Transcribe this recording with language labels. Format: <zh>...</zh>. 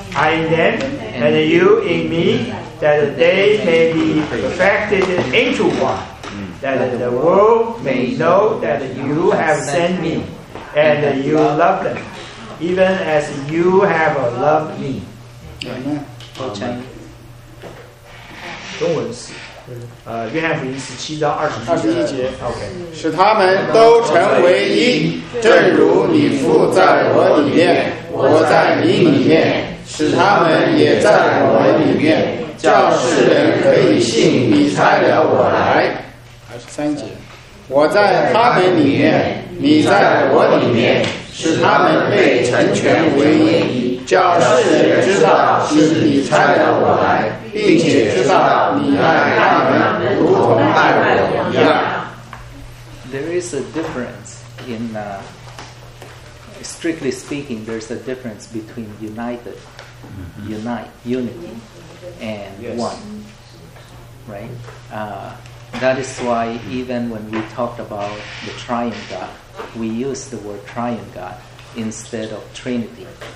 <en>and you in me, that they may be perfected into one, that the world may know that you have sent me, and you love them, even as you have loved me. Amen.</en> <zh>中文是约翰福音十七章二十一节，使他们都成为一，正如你父在我里面，我在你里面，使他们也在我里面，叫世人可以信你差了我来。二十三节，我在他们里面，你在我里面，使他们被成全为一，叫世人知道是你差了我来，并且知道你爱他们如同爱我一样。</zh> <en>There is a difference in strictly speaking, there's a difference between united, unite, unity, and one, right? That is why even when we talked about the triune God, we use the word triune God instead of Trinity.</en>